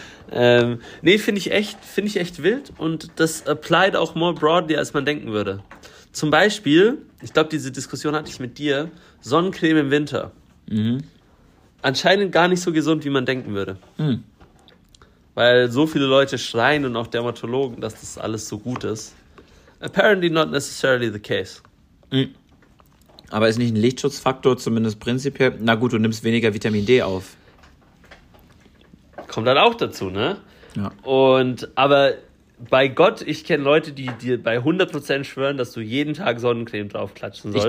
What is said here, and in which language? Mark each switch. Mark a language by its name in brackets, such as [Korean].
[German] Finde ich echt wild und das applied auch [English] more broadly, [German] als man denken würde. Zum Beispiel, ich glaube, diese Diskussion hatte ich mit dir, Sonnencreme im Winter. Mhm. Anscheinend gar nicht so gesund, wie man denken würde. Mhm. Weil so viele Leute schreien und auch Dermatologen, dass das alles so gut ist. [English] Apparently not necessarily the case. Mhm. [German] Aber ist nicht ein Lichtschutzfaktor, zumindest prinzipiell? Na gut, du nimmst weniger Vitamin D auf. Kommt dann auch dazu, ne? Ja. Aber bei Gott, ich kenne Leute, die dir bei 100% schwören, dass du jeden Tag Sonnencreme drauf klatschen sollst.